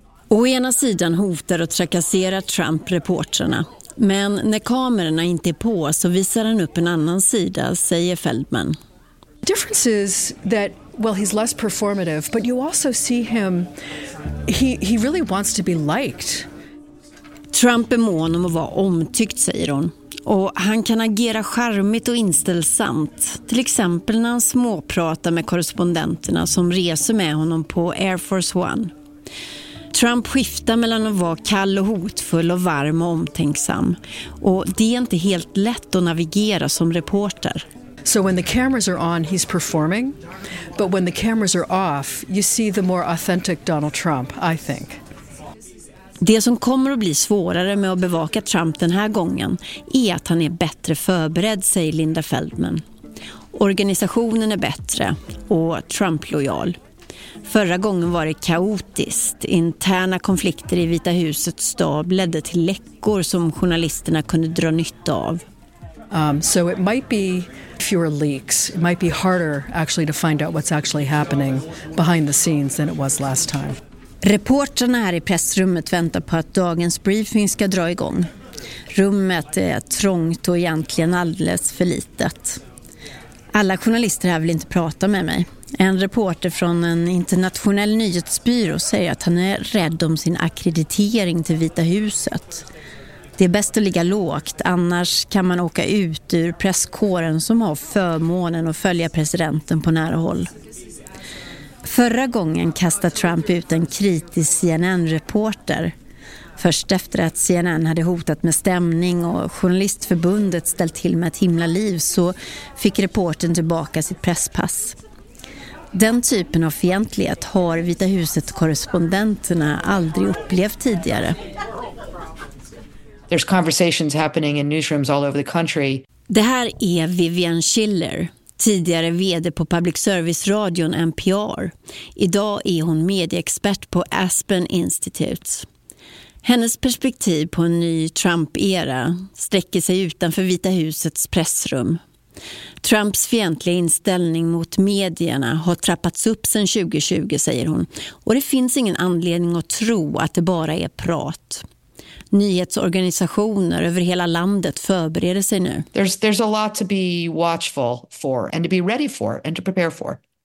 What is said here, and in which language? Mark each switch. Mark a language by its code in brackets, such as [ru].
[sv] Å ena sidan hotar och trakasserar Trump reportrarna. Men när kamerorna inte är på så visar han upp en annan sida, säger Feldman. [en] Difference is that well he's less performative, but you also see him he really wants to be liked. [sv] Trump är mån om att vara omtyckt, säger hon. Och han kan agera charmigt och inställsamt, till exempel när han småpratar med korrespondenterna som reser med honom på Air Force One. Trump skiftar mellan att vara kall och hotfull och varm och omtänksam. Och det är inte helt lätt att navigera som reporter. [en] So when the cameras are on, he's performing. But when the cameras are off, you see the more authentic Donald Trump, I think. [sv] Det som kommer att bli svårare med att bevaka Trump den här gången är att han är bättre förberedd, säger Linda Feldman. Organisationen är bättre och Trump-lojal. Förra gången var det kaotiskt. Interna konflikter i Vita husets stab ledde till läckor som journalisterna kunde dra nytta av. [en] So it might be fewer leaks. It might be harder actually to find out what's actually happening behind the scenes than it was last time. [sv] Reportrarna här i pressrummet väntar på att dagens briefing ska dra igång. Rummet är trångt och egentligen alldeles för litet. Alla journalister här vill inte prata med mig. En reporter från en internationell nyhetsbyrå säger att han är rädd om sin akkreditering till Vita huset. Det är bäst att ligga lågt, annars kan man åka ut ur presskåren som har förmånen att följa presidenten på nära håll. Förra gången kastade Trump ut en kritisk CNN-reporter. Först efter att CNN hade hotat med stämning och journalistförbundet ställt till med ett himla liv så fick reporten tillbaka sitt presspass. Den typen av fientlighet har Vita huset-korrespondenterna aldrig upplevt tidigare. [en] There's conversations happening in newsrooms all over the country. [sv] Det här är Vivian Schiller, tidigare vd på Public Service-radion NPR. Idag är hon medieexpert på Aspen Institute. Hennes perspektiv på en ny Trump-era sträcker sig utanför Vita husets pressrum. Trumps fientliga inställning mot medierna har trappats upp sedan 2020, säger hon. Och det finns ingen anledning att tro att det bara är prat. Nyhetsorganisationer över hela landet förbereder sig nu. [en] There's a lot to be watchful for and to be ready for and to prepare for.